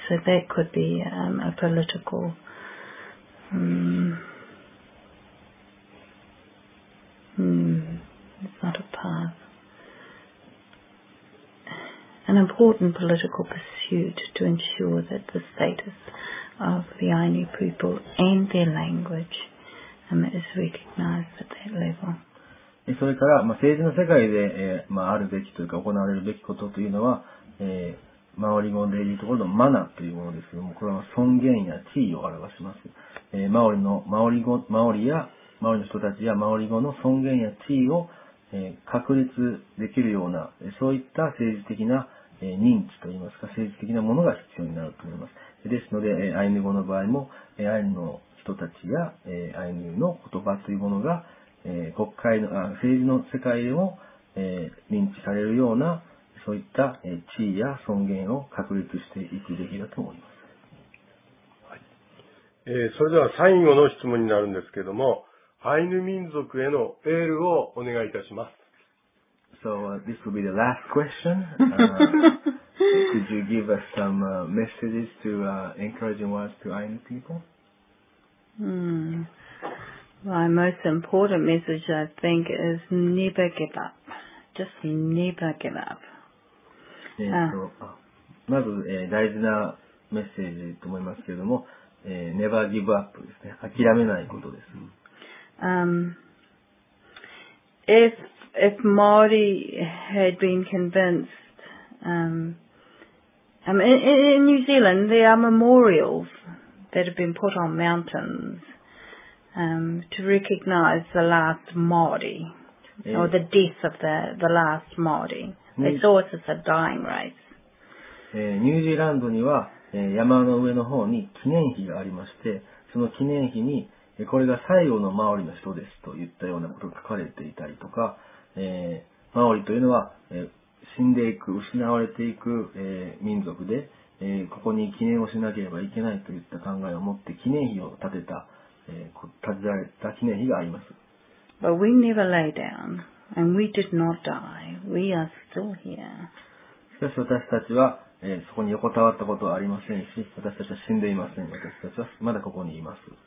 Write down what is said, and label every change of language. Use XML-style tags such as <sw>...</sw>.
<en>So that could be a political it's not a path. An important political pursuit to ensure that the status of the Ainu people and their language is recognized at that level.</en> <ja>それから、まあ、政治の世界で、まあ、あるべきというか行われるべきことというのは、マオリ語でいうところのマナというものですけども、これは尊厳や地位を表します。マオリの人たちやマオリ語の尊厳や地位を確立できるような、そういった政治的な認知といいますか、政治的なものが必要になると思います。ですので、アイヌ語の場合も、アイヌの人たちやアイヌの言葉というものが、国会の、政治の世界を認知されるような、そういった地位や尊厳を確立していくべきだと思います。それでは最後の質問になるんですけれども、アイヌ民族へのエールをお願いいたします。</ja> <en>So, this will be the last question. could you give us some messages to encouraging words to Ainu people? My most important message, I think, is never give up. Just never give up.</en> <ja>まず、大事なメッセージと思いますけれども、</ja> <en>never give up</en> <ja>ですね。諦めないことです。</ja> <en>If Māori had been convinced, in New Zealand there are memorials that have been put on mountains, to recognize the last Māori, or the death of the last Māori. They saw it as a dying race.</en> <ja>ニュージーランドには、山の上の方に記念碑がありまして、その記念碑にこれが最後のマオリの人ですといったようなことが書かれていたりとか、マオリというのは、死んでいく、失われていく、民族で、ここに記念をしなければいけないといった考えを持って記念碑を建てた、建てられた記念碑があります。</ja> <en>But we never lay down, and we did not die. We are still here.</en> <ja>しかし私たちは、そこに横たわったことはありませんし、私たちは死んでいません。私たちはまだここにいます。</ja>